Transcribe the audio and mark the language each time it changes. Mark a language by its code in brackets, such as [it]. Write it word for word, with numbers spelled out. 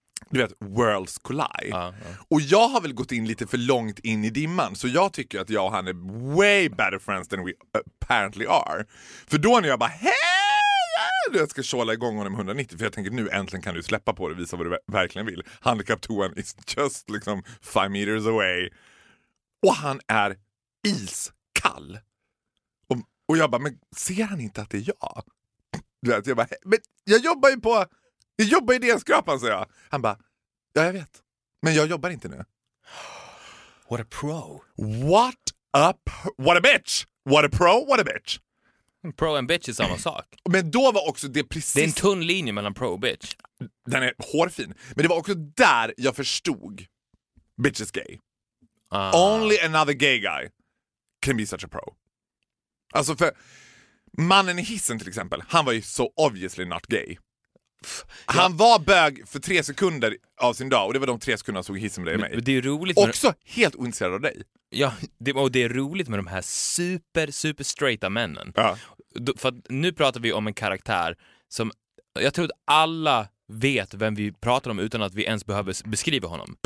[sv] Du vet, Worlds Collide. Ah, ah. Och jag har väl gått in lite för långt in i dimman. Så jag tycker att jag och han är [en] way better friends than we apparently are. [sv] För då när jag bara, hej! Jag ska tjåla igång honom hundranittio. För jag tänker, nu äntligen kan du släppa på det. Visa vad du verkligen vill. Handikapptoan [en] is just [sv] liksom [en] five meters away. [sv] Och han är iskall. Och, och jag bara, men ser han inte att det är jag? Du vet, jag bara, men jag jobbar ju på... Jag jobbar i D N-skrapan, säger jag. Han bara, ja jag vet. Men jag jobbar inte nu. [en] What a pro. What a, p- what a bitch. What a pro, what a bitch. Pro and bitch [sv] är samma sak. Men då var också det precis... Det är en tunn linje mellan pro och bitch. Den är hårfin. Men det var också där jag förstod. [en] Bitch is gay. Uh. Only another gay guy can be such a pro. [sv] Alltså för... Mannen i hissen till exempel. Han var ju så [en] obviously not gay. [sv] Han var bög för tre sekunder av sin dag. Och det var de tre sekunderna jag såg hissen med dig och mig. Det är roligt också de... helt ointresserad av dig. Ja, det, och det är roligt med de här super, super straighta männen. Ja. För att nu pratar vi om en karaktär som... Jag tror att alla vet vem vi pratar om utan att vi ens behöver beskriva honom.